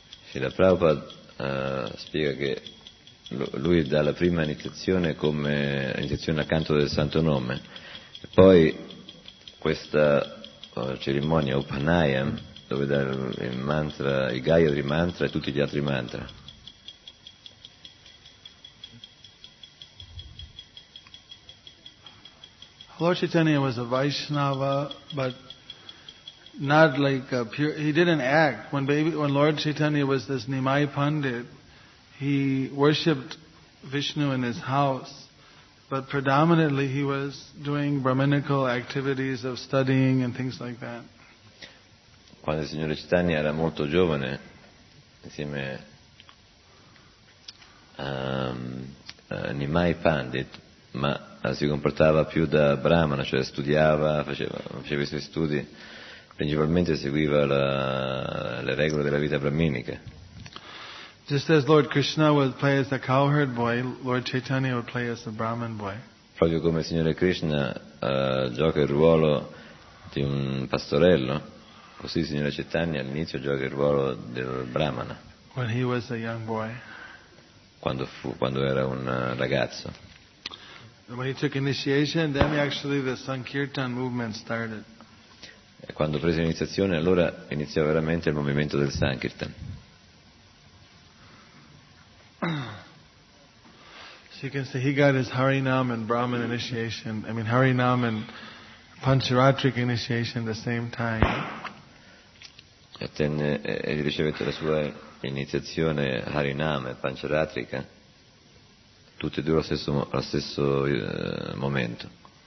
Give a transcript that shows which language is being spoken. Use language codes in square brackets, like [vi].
[it] Srila Prabhupada spiega che lui dà la prima iniziazione come iniziazione al canto del santo nome, e poi questa cerimonia Upanayanam, dove dà il mantra, il Gayatri mantra e tutti gli altri mantra. [en] Lord Chaitanya was a Vaishnava, but not like a pure. He didn't act. When Lord Chaitanya was this Nimai Pandit, he worshipped Vishnu in his house, but predominantly he was doing Brahminical activities of studying and things like that. [it] Quando il signore Chaitanya era molto giovane, insieme a Nimai Pandit, ma si comportava più da Brahmana, cioè studiava, faceva i suoi studi, principalmente seguiva le regole della vita brahminica. [en] Just as Lord Krishna would play as a cowherd boy, Lord Chaitanya would play as a Brahmin boy. [it] Proprio come il signore Krishna gioca il ruolo di un pastorello, così il signore Chaitanya all'inizio gioca il ruolo del Brahmana. [en] When he was a young boy. [it] quando era un ragazzo. [en] When he took initiation, then actually the Sankirtan movement started. [it] E quando prese iniziazione, allora iniziò veramente il movimento del Sankirtan. [en] So you can see he got his Harinam and Brahman initiation. I mean Harinam and Pancharatrika initiation at the same time. [it] E ricevette la sua iniziazione Harinam e Pancharatrika. Tutti e due allo stesso momento.